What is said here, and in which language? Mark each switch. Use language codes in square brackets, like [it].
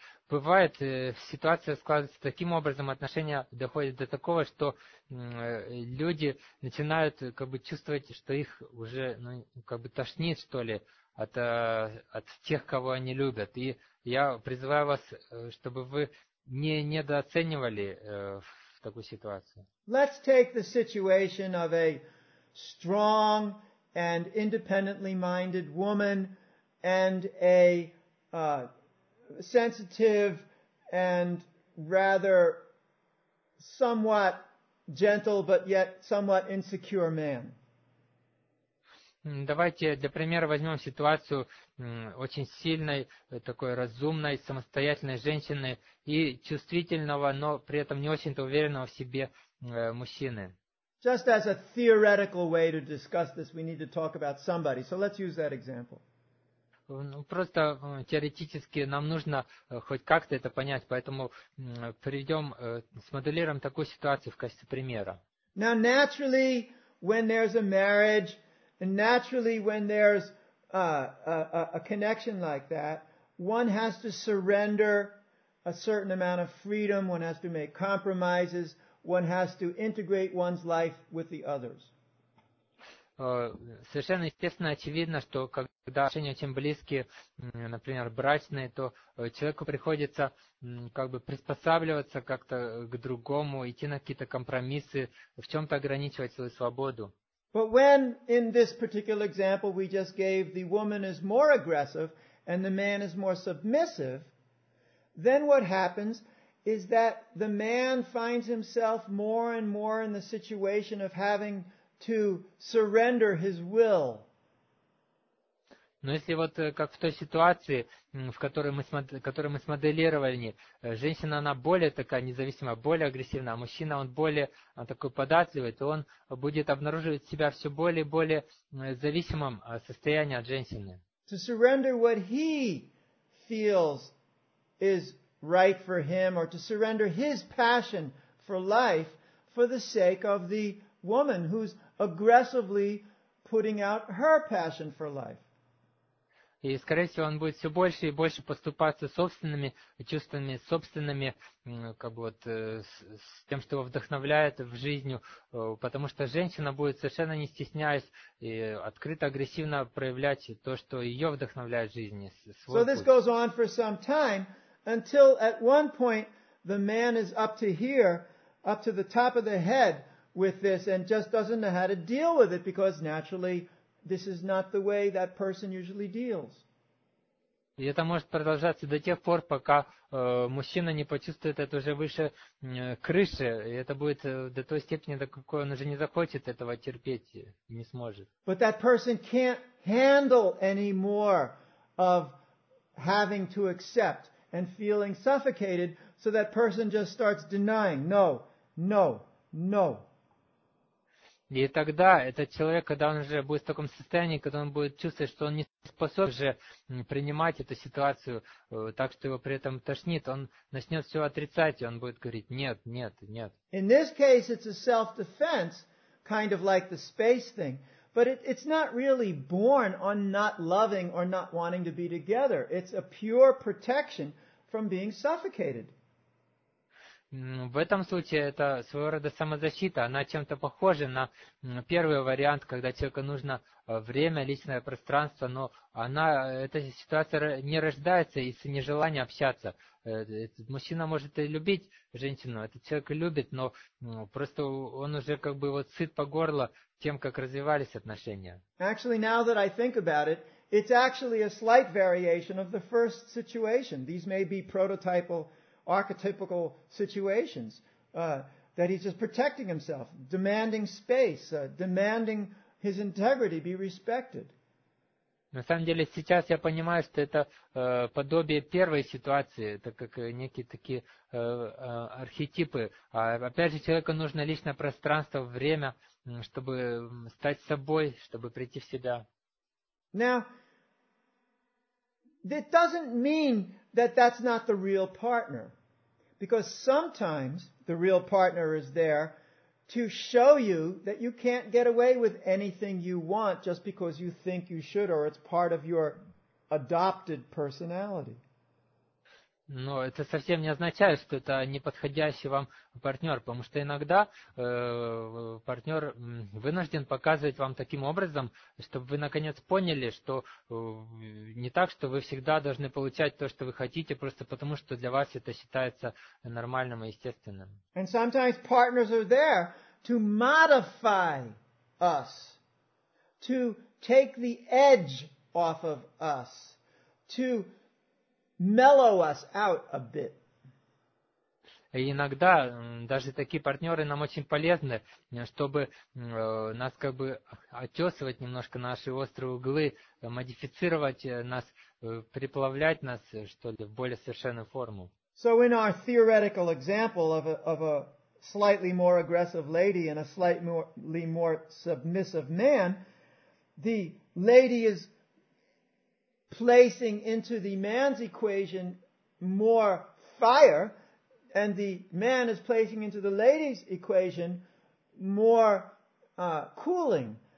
[ru] Бывает, ситуация складывается таким образом, отношения доходят до такого, что люди начинают как бы чувствовать, что их уже как бы тошнит, что ли, от тех, кого они любят. И я призываю вас, чтобы вы не недооценивали в такую ситуацию. [en] Let's take the situation of a strong and independently minded woman and a sensitive and rather somewhat gentle but yet somewhat insecure man. [ru] Давайте для примера возьмем ситуацию очень сильной, такой разумной, самостоятельной женщины и чувствительного, но при этом не очень-то уверенного в себе мужчины. [en] Just as a theoretical way to discuss this, we need to talk about somebody. So let's use that example. [ru] Просто теоретически нам нужно хоть как-то это понять, поэтому приведем, смоделируем такую ситуацию в качестве примера. [en] Now naturally, when there's a marriage, and naturally, when there's a connection like that, one has to surrender a certain amount of freedom, one has to make compromises, one has to integrate one's life with the others. [ru] Совершенно естественно, очевидно, что когда отношения очень близкие, например, брачные, то человеку приходится как бы приспосабливаться как-то к другому, идти на какие-то компромиссы, в чем-то ограничивать свою свободу. [en] But when, in this particular example we just gave, the woman is more aggressive and the man is more submissive, then what happens is that the man finds himself more and more in the situation of having to surrender his will. [ru] Но если вот как в той ситуации, в которой мы смоделировали, женщина, она более такая независимая, более агрессивная, а мужчина, он более такой податливый, то он будет обнаруживать себя все более и более зависимым состоянии от женщины. [en] To surrender what he feels is right for him, or to surrender his passion for life for the sake of the woman who's aggressively putting out her passion for life. [ru] И, скорее всего, он будет все больше и больше поступаться собственными чувствами, собственными, как бы вот, с тем, что его вдохновляет в жизнь, потому что женщина будет совершенно не стесняясь и открыто, агрессивно проявлять то, что ее вдохновляет в жизни. [en] So this goes on for some time, until at one point the man is up to here, up to the top of the head with this, and just doesn't know how to deal with it, because naturally, this is not the way that person usually deals. [ru] И это может продолжаться до тех пор, пока мужчина не почувствует это уже выше крыши. И это будет до той степени, до какой он уже не захочет этого терпеть, не сможет. [en] But that person can't handle any more of having to accept. and feeling suffocated, so that person just starts denying, no, no, no. [ru] И тогда этот человек, когда он уже будет в таком состоянии, когда он будет чувствовать, что он не способен уже принимать эту ситуацию, так что его при этом тошнит, он начнет все отрицать, и он будет говорить «нет, нет, нет». [en] In this case, it's a self-defense, kind of like the space thing, but it's not really born on not loving or not wanting to be together. It's a pure protection from being suffocated. [ru] В этом случае это своего рода самозащита. Она чем-то похожа на первый вариант, когда человеку нужно время, личное пространство, но она, эта ситуация не рождается из нежелания общаться. Мужчина может и любить женщину, этот человек любит, но просто он уже как бы вот сыт по горло тем, как развивались отношения. [en] Actually, now that I think about it, it's actually a slight variation of the first situation. These may be prototypal archetypical situations that he's just protecting himself, demanding space, demanding his integrity be respected. [ru] На самом деле, сейчас я понимаю, что это подобие первой ситуации, это как некие такие архетипы. Опять же, человеку нужно личное пространство, время, чтобы стать собой, чтобы прийти в себя. [en] Now, that doesn't mean that that's not the real partner. Because sometimes the real partner is there to show you that you can't get away with anything you want just because you think you should or it's part of your adopted personality. [ru] Но это совсем не означает, что это неподходящий вам партнер, потому что иногда партнер вынужден показывать вам таким образом, чтобы вы наконец поняли, что не так, что вы всегда должны получать то, что вы хотите, просто потому что для вас это считается нормальным и естественным. [en] And sometimes partners are there to modify us, to take the edge off of us, to mellow us out a bit. [ru] Иногда даже такие партнеры нам очень полезны, чтобы нас как бы отёсывать немножко наши острые углы, модифицировать нас, приплавлять нас, что ли, в более совершенную форму. [en] So in our theoretical example of a slightly more aggressive lady and a slightly more submissive man, the lady is placing into the man's equation more fire, and the man is placing into the lady's equation more cooling.